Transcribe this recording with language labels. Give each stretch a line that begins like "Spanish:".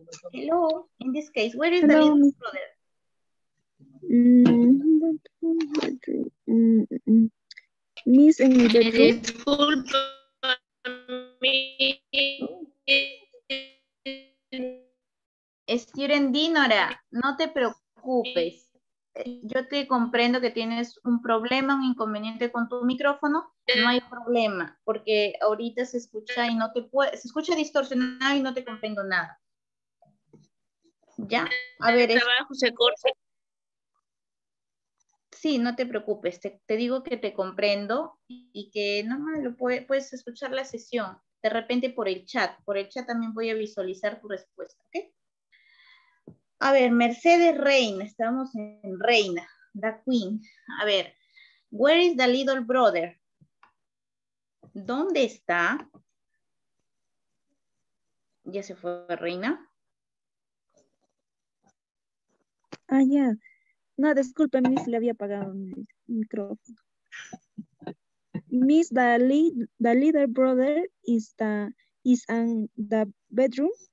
English: Hello, in this case, where is the little brother?
Spanish: Student Dinora, no te preocupes. Yo te comprendo que tienes un problema, un inconveniente con tu micrófono. No hay problema, porque ahorita se escucha y no te puede, se escucha distorsionado y no te comprendo nada. Ya, a ver. ¿Trabajo se corta? Sí, no te preocupes. Te digo que te comprendo y que no, no lo puedes escuchar la sesión. De repente por el chat. Por el chat también voy a visualizar tu respuesta. ¿Okay? A ver, Mercedes Reina. Estamos en Reina,
English: the Queen.
Spanish: A ver,
English: where is the little brother?
Spanish: ¿Dónde está? Ya se fue Reina. Ah, ya. Yeah. No, disculpe, Miss, le había apagado mi micrófono.
English: Miss, the little brother is in the bedroom.